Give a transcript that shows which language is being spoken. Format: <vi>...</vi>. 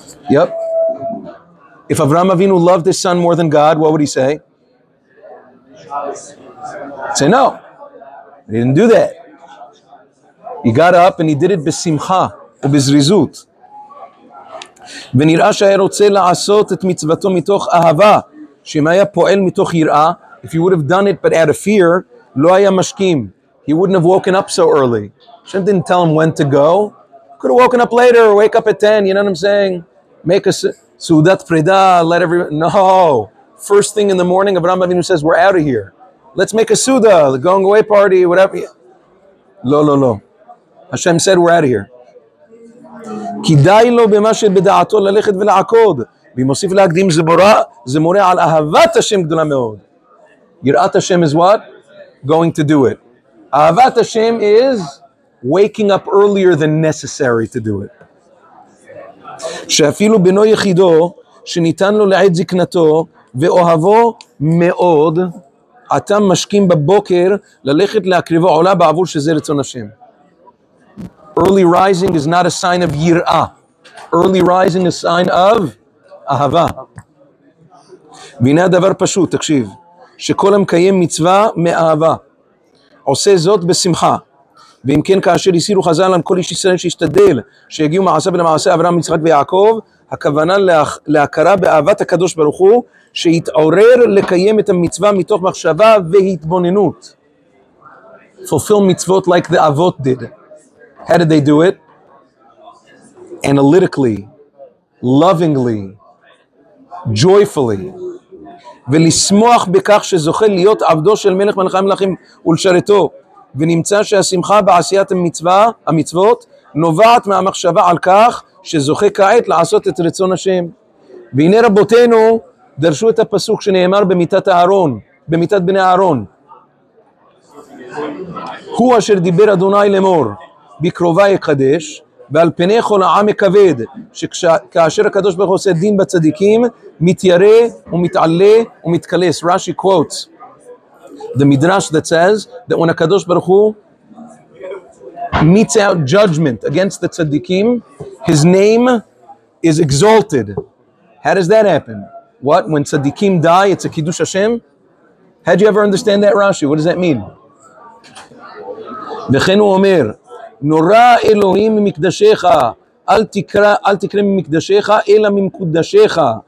<en>Yep. If Avraham Avinu loved his son more than God, what would he say? He'd say no. He didn't do that. He got up and he did it b'simcha, b'zrizut.</en> <he>ונראה שהיה רוצה לעשות את מצוותו מתוך אהבה, שאם היה פועל מתוך יראה,</he> <en>if he would have done it but out of fear,</en> <he>לא היה משכים.</he> <en>He wouldn't have woken up so early. Hashem didn't tell him when to go. Could have woken up later, wake up at 10, you know what I'm saying? Make a seudat preda, let everyone, no. First thing in the morning, Avraham Avinu says, we're out of here. Let's make a seuda, the going away party, whatever.</en> <he>לא, לא, לא.</he> <en>Hashem said, we're out of here.</en> <he>כדאי לו במה שבדעתו ללכת ולעקוד. והיא מוסיף להקדים זמורה, זמורה על אהבת השם גדולה מאוד.</he> <en>יראת השם is what? Going to do it. אהבת השם is waking up earlier than necessary to do it.</en> <he>שאפילו בנו יחידו, שניתן לו לעת זקנתו, ואוהבו מאוד, אתה משכים בבוקר ללכת להקריבו עולה בעבור שזה רצון השם.</he> <en>Early rising is not a sign of yirah. Early rising is a sign of ahava.</en> <he>והנה הדבר פשוט, תקשיב, שכל המקיים מצווה מאהבה, עושה זאת בשמחה. ואם כן, כאשר הסירו חזל על כל איש ישראל שהשתדל, שהגיעו מעשה ולמעשה אברהם, יצחק ויעקב, הכוונה להכרה באהבת הקדוש ברוך הוא, שהתעורר לקיים את המצווה מתוך מחשבה והתבוננות.</he> <en>Fulfill מצוות like the avot did. How did they do it? Analytically, lovingly, joyfully.</en> <he>ולשמוח בכך שזוכה להיות עבדו של מלך מלכי המלכים ולשרתו, ונמצא שהשמחה בעשיית המצוות נובעת מהמחשבה על כך שזוכה כעת לעשות את רצון השם. והנה רבותינו דרשו את הפסוק שנאמר במיטת אהרון, במיטת בני אהרון. הוא אשר דיבר אדוני לאמור. בקרובה יקדש, ועל פני כל העם מכבד, שכאשר הקדוש ברוך הוא עושה דין בצדיקים, מתיירה ומתעלה ומתקלס.</he> <en>Rashi quotes the midrash that says that when הקדוש ברוך הוא meets out judgment against the צדיקים, his name is exalted. How does that happen? What? When צדיקים die, it's a kiddush Hashem? How do you ever understand that, Rashi? What does that mean?</en> <he>וכן הוא אומר, נורא אלוהים ממקדשיך, אל תקרא ממקדשיך, אלא ממקודשיך.</he>